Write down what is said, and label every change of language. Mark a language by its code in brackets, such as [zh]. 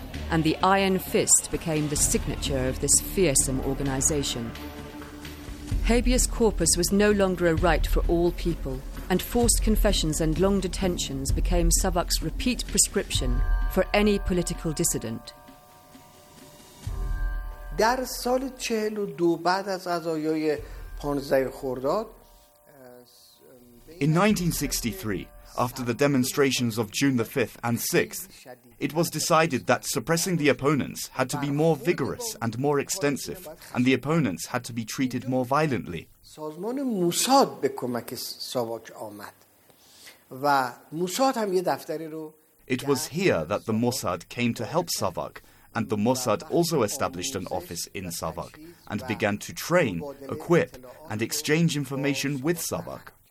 [en] And the Iron Fist became the signature of this fearsome organization. Habeas corpus was no longer a right for all people, and forced confessions and long detentions became SAVAK's repeat prescription for any political dissident. [fa] در سال 42 بعد از قضایای 15 خرداد [en] In 1963, after the demonstrations of June the 5th and 6th, it was decided that suppressing the opponents had to be more vigorous and more extensive, and the opponents had to be treated more violently. [fa] سازمان موساد به کمک ساواک آمد و موساد هم یه دفتری رو [en] It was here that the Mossad came to help SAVAK. And the Mossad also established an office in SAVAK and began to train, equip, and exchange information with SAVAK.